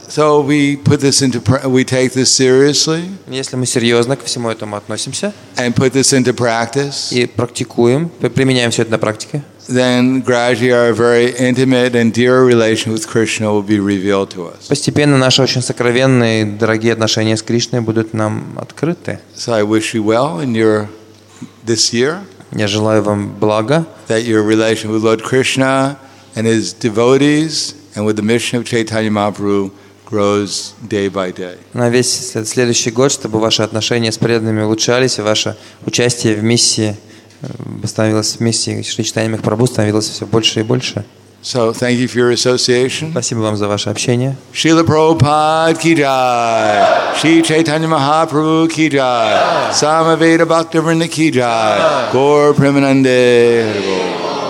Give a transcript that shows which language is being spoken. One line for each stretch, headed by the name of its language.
English: So we put this into we take this seriously.
Russian: Если мы серьезно ко всему этому относимся.
English: And put this into practice.
Russian: И практикуем, применяем все это на практике.
English: Then gradually our very intimate and dear relation with Krishna will be revealed to us.
Russian: Постепенно наши очень сокровенные, дорогие отношения с Кришной будут нам открыты.
English: So I wish you well in your this year.
Russian: Я желаю вам блага.
English: That your relation with Lord Krishna and his devotees and with the mission of Chaitanya Mahaprabhu grows day by day.
Russian: На весь следующий год, чтобы ваши отношения с преданными улучшались и ваше участие в миссии становилось в миссии Шри Чайтанья Махапрабху становилось все больше и больше.
English: So thank you for your association.
Russian: Спасибо вам за ваше общение. Шрила Прабхупада ки джай. Шри Чайтанья Махапрабху ки джай. Самавета Бхактивриндо ки джай. Гаура Премананде Харе Бол.